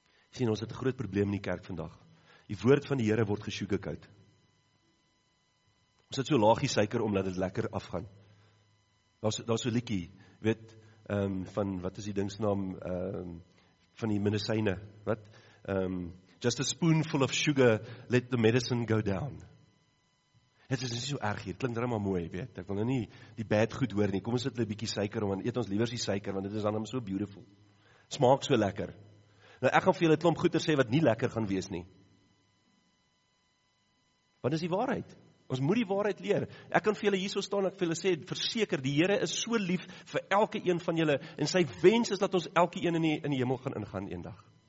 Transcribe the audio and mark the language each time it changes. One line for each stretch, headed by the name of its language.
Afrikaans: Sien, ons het 'n groot probleem in die kerk vandag. Die woord van die Here word gesugarcoat. Ons het so laagie suiker omdat dit lekker afgaan. Daar's so 'n liedjie, weet, van wat is die ding se naam, van die medisyne, wat?
English: Just a spoonful of sugar let the medicine go down.
Afrikaans: Het is nie so erg hier, klink drama mooi, weet. Ek wil nou nie die bad goed hoor nie. Kom ons sit 'n bietjie suiker om en eet ons liever die suiker want dit is dan so beautiful. Smaak so lekker. Nou ek gaan vir julle 'n klomp goeie sê wat nie lekker gaan wees nie. Wat is die waarheid? Ons moet die waarheid leer. Ek kan vir julle hierso staan, ek vir julle sê, verseker, die Here is so lief vir elke een van julle en sy wens is dat ons elke een in die hemel gaan ingaan eendag.